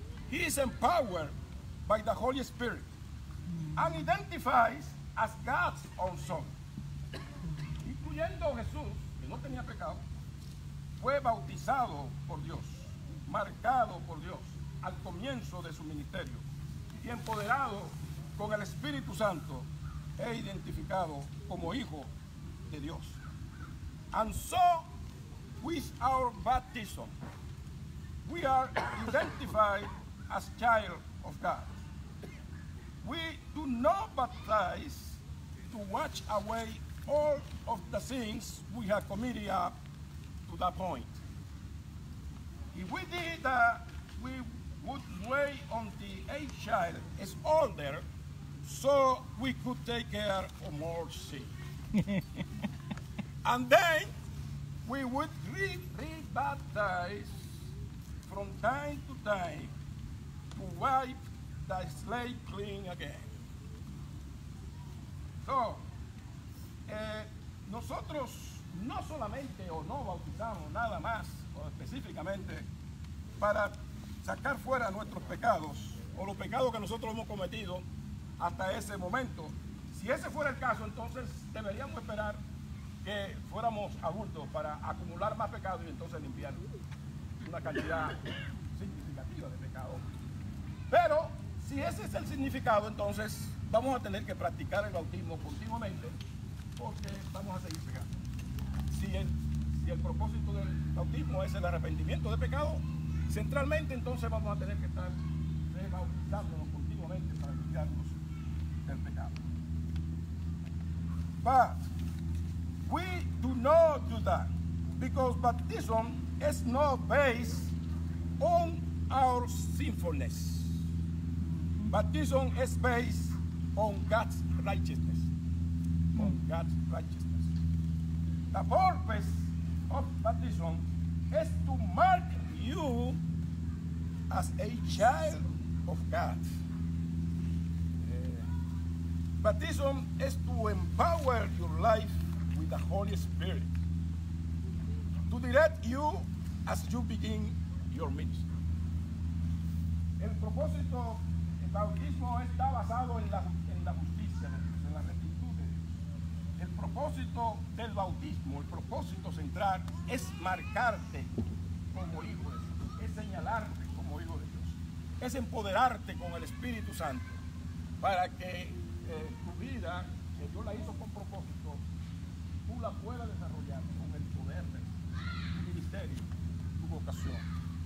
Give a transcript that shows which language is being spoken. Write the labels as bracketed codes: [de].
[en] He is empowered by the Holy Spirit and identifies as God's own son. [es] Incluyendo Jesús, que no tenía pecado, fue bautizado por Dios, marcado por Dios al comienzo de su ministerio y empoderado con el Espíritu Santo e identificado como hijo de Dios. [en] And so, with our baptism, we are identified as child of God. We do not baptize to wash away all of the sins we have committed up to that point. If we did that, we would wait until a child is older so we could take care of more sin. And then we would re-baptize from time to time to wipe the slate clean again. [es] So, nosotros no solamente o no bautizamos nada más o específicamente para sacar fuera nuestros pecados o los pecados que nosotros hemos cometido hasta ese momento. Si ese fuera el caso, entonces deberíamos esperar que fuéramos adultos para acumular más pecados y entonces limpiar una cantidad significativa de pecados. Pero si ese es el significado, entonces vamos a tener que practicar el bautismo continuamente, porque vamos a seguir pecando. Si el propósito del bautismo es el arrepentimiento de pecado, centralmente entonces vamos a tener que estar rebautizándonos continuamente para limpiarnos del pecado. [en] But we do not do that because baptism is not based on our sinfulness. Baptism is based on God's righteousness. On God's righteousness. The purpose of baptism is to mark you as a child of God. Baptism is to empower your life with the Holy Spirit, to direct you as you begin your ministry. [es] El propósito del bautismo está basado en la justicia de Dios, en la rectitud de Dios. El propósito del bautismo, el propósito central, es marcarte como hijo de Dios, es señalarte como hijo de Dios, es empoderarte con el Espíritu Santo para que tu vida, que Dios la hizo con propósito, tú la puedas desarrollar con el poder de tu ministerio, tu vocación.